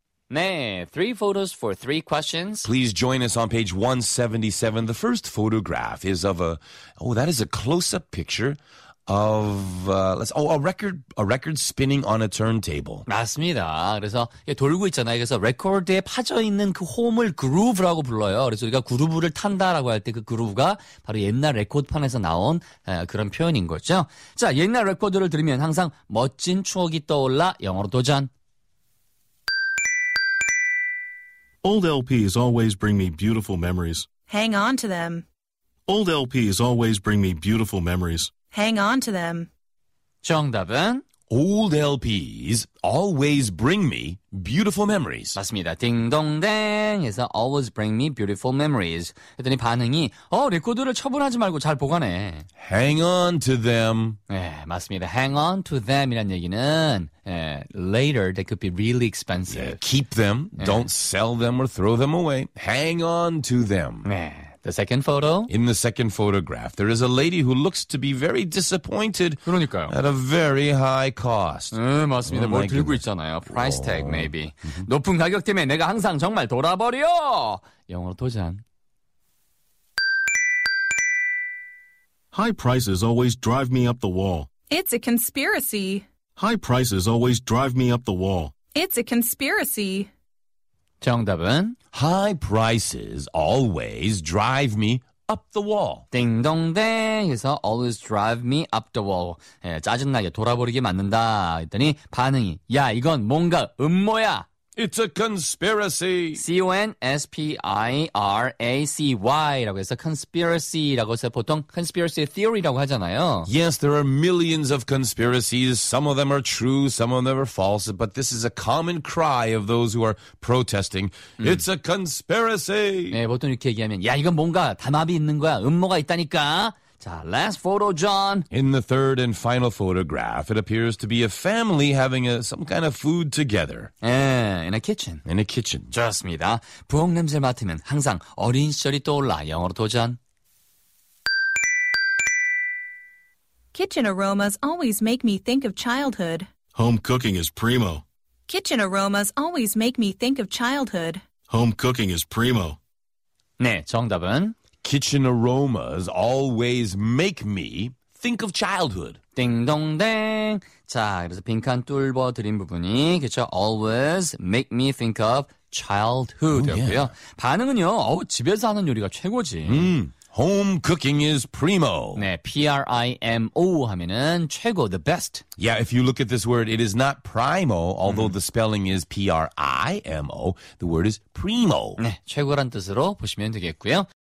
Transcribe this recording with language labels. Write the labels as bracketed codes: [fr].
[ko] 네, [en] three photos for three questions. Please join us on page 177. The first photograph is of a, oh, that is a close-up picture of let's oh a record spinning on a turntable. [ko] 맞습니다. 그래서 돌고 있잖아요. 그래서 레코드에 파져 있는 그 홈을 그루브라고 불러요. 그래서 우리가 그루브를 탄다라고 할 때 그 그루브가 바로 옛날 레코드판에서 나온 그런 표현인 거죠. 자, 옛날 레코드를 들으면 항상 멋진 추억이 떠올라 영어로 도전. [en] Old LPs always bring me beautiful memories. Hang on to them. Old LPs always bring me beautiful memories. Hang on to them. [ko] 정답은 [en] Old LPs always bring me beautiful memories. [ko] 맞습니다. 딩동댕 해서 [en] always bring me beautiful memories. [ko] 했더니 반응이 레코드를 처분하지 말고 잘 보관해. [en] Hang on to them. [ko] 네, 맞습니다. Hang on to them 이란 얘기는 [en] later they could be really expensive. Yeah, keep them. [ko] 네. [en] Don't sell them or throw them away. Hang on to them. [ko] 네. [en] The second photo. In the second photograph, there is a lady who looks to be very disappointed. [ko] 그러니까요. [en] At a very high cost. [ko] 맞습니다. 뭘 들고 있잖아요. [en] Price tag, maybe. [ko] 높은 가격 때문에 내가 항상 정말 돌아버려. 영어로 도전. [en] High prices always drive me up the wall. It's a conspiracy. High prices always drive me up the wall. It's a conspiracy. [ko] 정답은 [en] High prices always drive me up the wall. [ko] 딩동댕 해서 [en] always drive me up the wall. [ko] 예, 짜증나게 돌아버리게 만든다 했더니 반응이 야 이건 뭔가 음모야. [en] It's a conspiracy. [ko] C-O-N-S-P-I-R-A-C-Y 라고 해서 conspiracy 라고 해서 보통 [en] conspiracy theory [ko] 라고 하잖아요. [en] Yes, there are millions of conspiracies. Some of them are true, some of them are false. But this is a common cry of those who are protesting. It's a conspiracy. [ko] 네, 보통 이렇게 얘기하면 야, 이건 뭔가 담합이 있는 거야. 음모가 있다니까. 자, [en] last photo, John. In the third and final photograph, it appears to be a family having some kind of food together. In a kitchen. In a kitchen. [ko] 좋습니다. 부엌 냄새 맡으면 항상 어린 시절이 떠올라. 영어로 도전. [en] Kitchen aromas always make me think of childhood. Home cooking is primo. Kitchen aromas always make me think of childhood. Home cooking is primo. [ko] 네, 정답은? [en] Kitchen aromas always make me think of childhood. [ko] 딩동댕. 자, 그래서 빈칸 뚫어 드린 부분이 그렇죠. [en] Always make me think of childhood였고요. Oh, yeah. [ko] 반응은요. 집에서 하는 요리가 최고지. [en] Home cooking is primo. [ko] 네, P-R-I-M-O 하면은 최고, [en] the best. Yeah, if you look at this word, it is not primo, although the spelling is P-R-I-M-O. The word is primo. [ko] 네, 최고란 뜻으로 보시면 되겠고요.